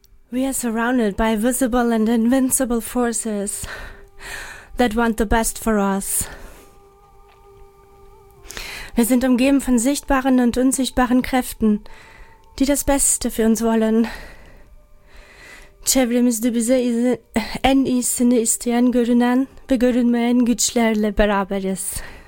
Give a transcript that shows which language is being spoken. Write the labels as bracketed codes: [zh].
[en] We are surrounded by visible and invincible forces that want the best for us. [de] Wir sind umgeben von sichtbaren und unsichtbaren Kräften, die das Beste für uns wollen. [tr] Çevremiz de bize en iyisini isteyen görünen ve görünmeyen güçlerle beraberiz.